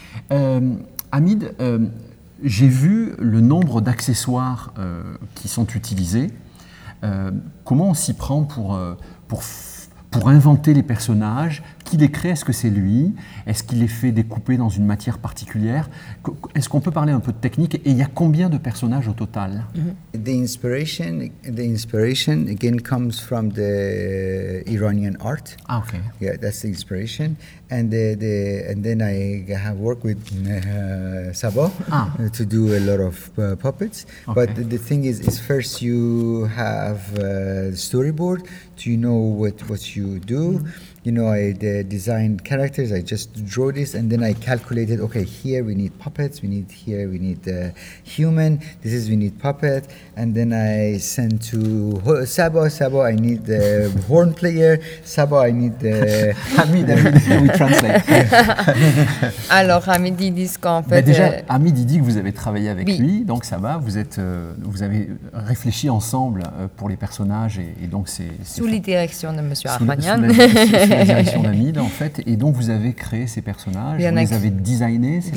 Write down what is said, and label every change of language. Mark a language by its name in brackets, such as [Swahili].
[French] Hamid, j'ai vu le nombre d'accessoires qui sont utilisés. Comment on s'y prend pour inventer les personnages? Qui les crée? Est-ce que c'est lui? Est-ce qu'il les fait découper dans une matière particulière? Est-ce qu'on peut parler un peu de technique? Et il y a combien de personnages au total? Mm-hmm. [English] The inspiration again comes from the Iranian art. Ah, okay. Yeah, that's the inspiration. And then I have worked with Sabah to do a lot of puppets. Okay. But the thing is first you have a storyboard to know what you do. Mm-hmm. You know, I designed characters, I just drew this, and then I calculated, okay, here we need puppets, we need here, we need human, this is, we need puppet, and then I sent to Sabo, I need the horn player, Sabo, I need the... Hamid, we translate. [French] Alors, Hamid, ils disent qu'en fait... Mais déjà, Hamid, il dit que vous avez travaillé avec lui, donc ça va, vous avez réfléchi ensemble pour les personnages, et donc c'est sous les directions de M. Arfanian. La direction d'Amide, en fait, et donc vous avez créé ces personnages, vous les avez designés, c'est ça?